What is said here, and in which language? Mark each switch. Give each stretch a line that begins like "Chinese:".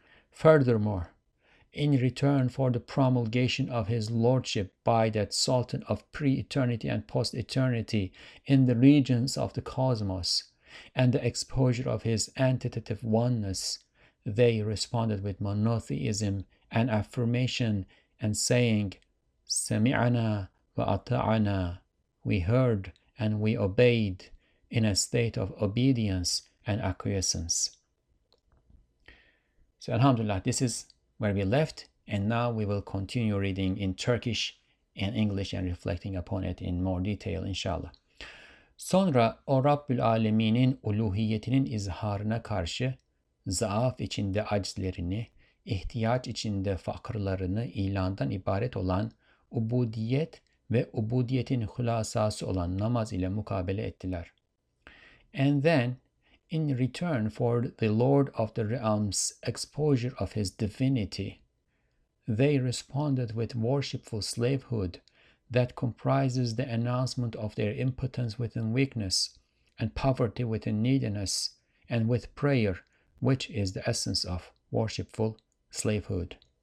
English: Furthermore, in return for the promulgation of his lordship by that sultan of pre-eternity and post-eternity in the regions of the cosmos, and the exposure of his entitative oneness, they responded with monotheism and affirmation and saying, Sami'ana wa ata'ana, we heard and we obeyed, in a state of obedience and acquiescence. So alhamdulillah, this is where we left, and now we will continue reading in Turkish and English and reflecting upon it in more detail inshallah.
Turkish: Sonra o Rabbül Aleminin uluhiyetinin izharına karşı zaaf içinde aczlerini, ihtiyaç içinde fakırlarını ilandan ibaret olan ubudiyet ve ubudiyetin hülasası olan namaz ile mukabele ettiler.
English: And then, in return for the Lord of the Realms' exposure of his divinity, they responded with worshipful slavehood that comprises the announcement of their impotence within weakness and poverty within neediness, and with prayer, which is the essence of worshipful slavehood.